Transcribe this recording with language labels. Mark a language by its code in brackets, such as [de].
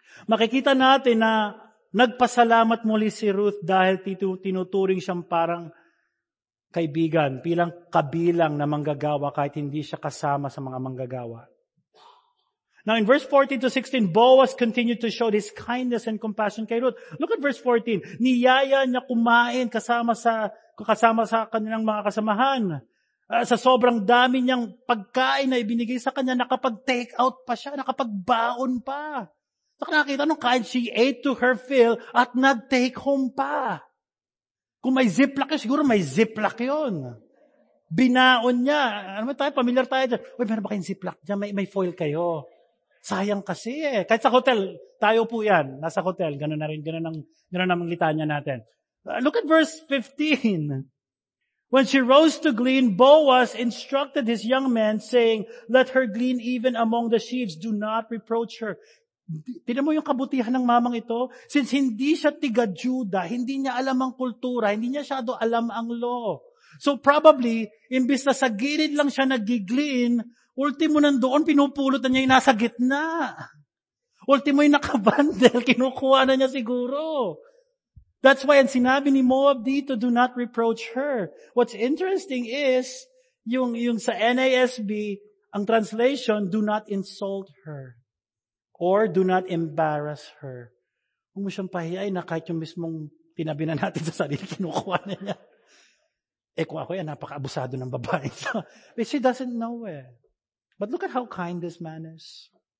[tl] Makikita natin na nagpasalamat muli si Ruth dahil tinuturing siyang parang kaibigan, bilang kabilang na manggagawa kahit hindi siya kasama sa mga manggagawa. [en] Now in verse 14 to 16, Boaz continued to show his kindness and compassion kay Ruth. Look at verse 14. [tl] Niyaya niya kumain kasama sa kanilang mga kasamahan. Sa sobrang dami niyang pagkain na ibinigay sa kanya, nakapag-take out pa siya, nakapag-baon pa. So, nakakita nung kain, [en] she ate to her fill [tl] at nag-take home pa. Kung may ziplock yun, siguro may ziplock yun. Binaon niya. Ano tayo, familiar tayo dyan. Uy, meron ba kayong ziplock dyan? May foil kayo. Sayang kasi eh. Kahit sa hotel, tayo po yan. Nasa hotel, gano'n na rin. Gano'n ang litanya natin. [en] Look at verse 15. When she rose to glean, Boaz instructed his young men, saying, let her glean even among the sheaves. Do not reproach her. [tl] Tignan mo yung kabutihan ng mamang ito. Since hindi siya tiga Juda, hindi niya alam ang kultura, hindi niya siyado alam ang law. So probably, imbis na sa gilid lang siya nag-glean, ultimo nandoon, pinupulot na niya yung nasa gitna. Ultimo yung nakabandel, kinukuha na niya siguro. [en] That's why, and [tl] sinabi ni Moab dito, [en] do not reproach her. What's interesting is, [tl] yung sa [en] NASB, ang translation, do not insult her. Or do not embarrass her. [tl] Huwag mo siyang pahiyay na kahit yung mismong tinabi na natin sa sarili, kinukuha na niya. Eh kung ako yan, napaka-abusado ng babae. [en] But she doesn't know it. But look at how kind this man is.